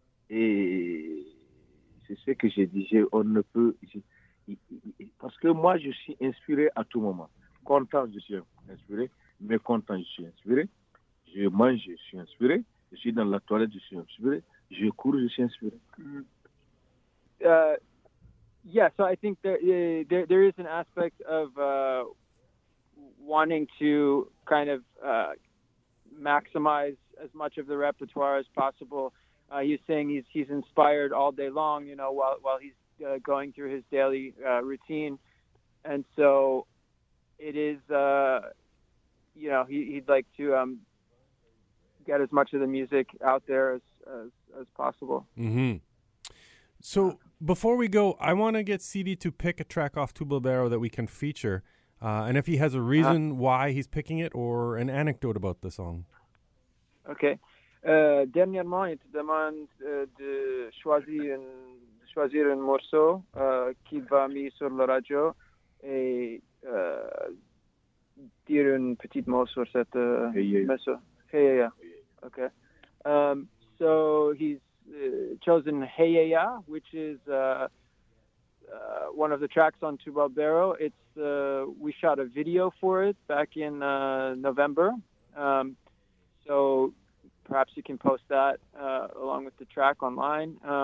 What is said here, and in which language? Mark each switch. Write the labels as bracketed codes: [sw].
[fr] Et c'est ce que je disais, on ne peut parce que moi je suis inspiré à tout moment. Content je suis inspiré, mécontent je suis inspiré, je mange je suis inspiré, je suis dans la toilette je suis inspiré, je cours je suis inspiré. [en] Yeah, so I think there is an aspect of wanting to kind of maximize as much of the repertoire as possible. He's saying he's inspired all day long, you know, while he's going through his daily routine. And so it is, he'd like to get as much of the music out there as possible. Mm-hmm. So... Before we go, I want to get CD to pick a track off Tu Bolero that we can feature, and if he has a reason why he's picking it or an anecdote about the song. Okay. [fr] Dernièrement, il te demande de choisir un morceau qui va mis sur la radio et dire un petit mot sur cette morceau. [en] Hey, yeah, yeah. Okay. So he's chosen Hey Yeah Yeah, which is one of the tracks on Tu Bolero. It's we shot a video for it back in November, so perhaps you can post that along with the track online.